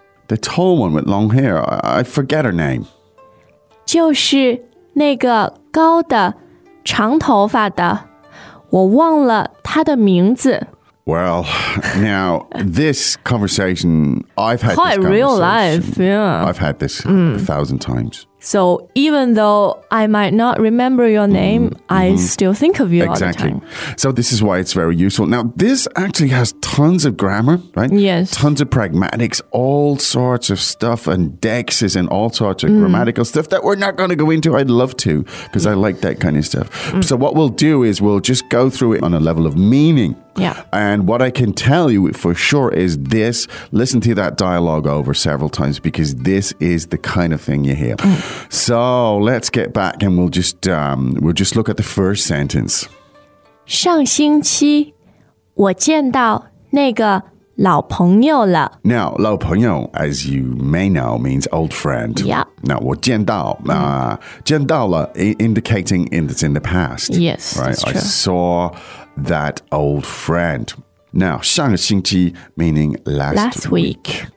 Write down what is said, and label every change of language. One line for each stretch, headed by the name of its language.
English: The tall one with long hair, I forget her name.
Chinese: 就是那个高的长头发的。我忘了她的名字。
English: Well, now, this conversation, I've had quite this real life, yeah. I've had this a thousand times. So even though I might not remember your name, I still think of you exactly. all the time. Exactly. So this is why it's very useful. Now, this actually has tons of grammar, right? Yes. Tons of pragmatics, all sorts of stuff and dexes and all sorts of grammatical stuff that we're not going to go into. I'd love to because I like that kind of stuff. So what we'll do is we'll just go through it on a level of meaning. Yeah. And what I can tell you for sure is this. Listen to that dialogue over several times because this is the kind of thing you hear. So let's get back and we'll just look at the first sentence.
Chinese: 上星期我见到那个老朋友了。
English: Now,
Chinese: 老朋友,
English: as you may know, means old friend. Yeah. Now,
Chinese: 我见到, 见到了,
English: indicating it's in the past. Yes, right? That's true. I saw that old friend. Now,
Chinese: 上个星期,
English: meaning last week.